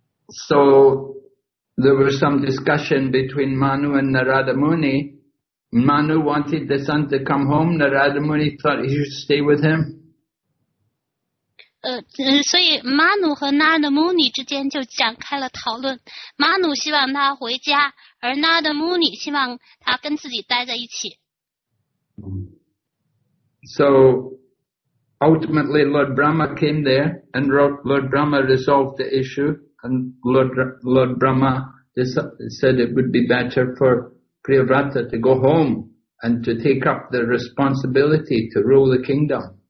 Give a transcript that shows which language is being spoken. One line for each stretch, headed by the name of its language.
English: So there was some discussion between Manu and Narada Muni. Manu wanted the son to come home. Narada Muni thought he should stay with him.
Chinese: 所以马努和纳德穆尼之间就展开了讨论。马努希望他回家，而纳德穆尼希望他跟自己待在一起。
English: So ultimately, Lord Brahma came there and Lord Brahma resolved the issue, and Lord Brahma said it would be better for Priyavrata to go home and to take up the responsibility to rule the kingdom.